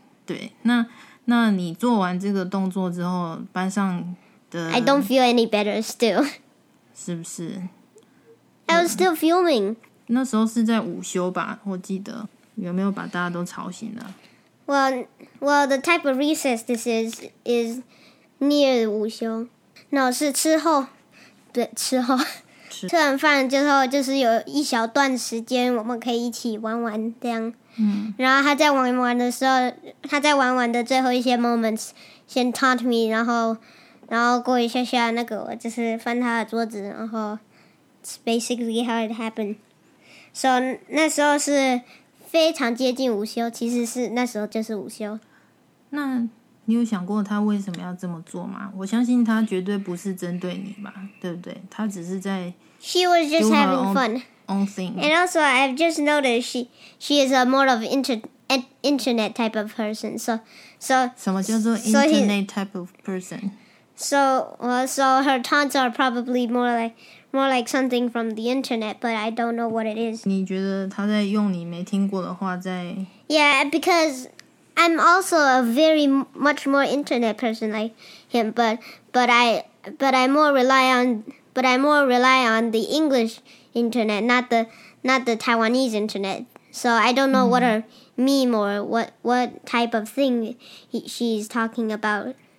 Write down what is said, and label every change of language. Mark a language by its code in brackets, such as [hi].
[zh] 对，那你做完这个动作之后，班上的 [en] I don't feel any better still. [zh] 是不是？ [en] I was still fuming. [zh] 那时候是在午休吧，我记得有没有把大家都吵醒了？ [en] Well, the type of recess this is near 午休。 [zh] 那是吃后，对，吃后吃完饭之后，就是有一小段时间我们可以一起玩玩这样。嗯，然后他在玩玩的时候，他在玩玩的最后一些 moments 先 taunt me， 然后过一下下那个，我就是翻他的桌子，然后 [en] it's basically how it happened。 [zh] So 那时候是非常接近午休，其实是那时候就是午休。那你有想过他为什么要这么做吗？我相信他绝对不是针对你吧，对不对？他只是在 [en] she was just having fun own thing. And also I've just noticed she is a more of internet type of person. So [zh] 什么叫做 [en] internet type of person? So her taunts are probably more like something from the internet, but I don't know what it is. [zh] 你觉得他在用你没听过的话在 [en] Yeah, becauseI'm also a very much more internet person like him, but I more rely on the English internet, not the Taiwanese internet. So I don't know what her meme or what type of thing she's talking about.